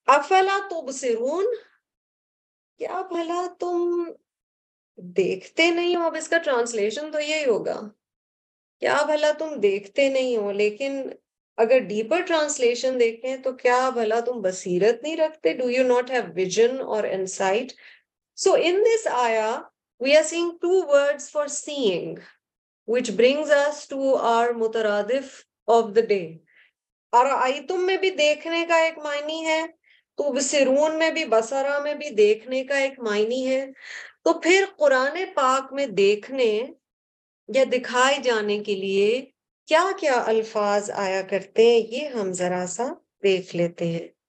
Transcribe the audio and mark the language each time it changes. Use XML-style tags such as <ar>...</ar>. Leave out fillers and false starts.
<ar>افلا تبصرون,</ar> <ur>کیا بھلا تم دیکھتے نہیں ہو. اب اس کا ٹرانسلیشن تو یہی ہوگا, کیا بھلا تم دیکھتے نہیں ہو, لیکن اگر ڈیپر ٹرانسلیشن دیکھیں تو کیا بھلا تم بصیرت نہیں رکھتے,</ur> <en>do you not have vision</en> <ur>اور انسائٹ.</ur> <en>So in this آیا we are seeing two words for seeing, which brings us to our مترادف of the day.</en> <ur>اور آیتم میں بھی دیکھنے کا ایک معنی ہے, تو بصیرون میں بھی, بصرا میں بھی دیکھنے کا ایک معنی ہے. تو پھر قرآن پاک میں دیکھنے یا دکھائے جانے کے لیے کیا کیا الفاظ آیا کرتے ہیں, یہ ہم ذرا سا دیکھ لیتے ہیں.</ur>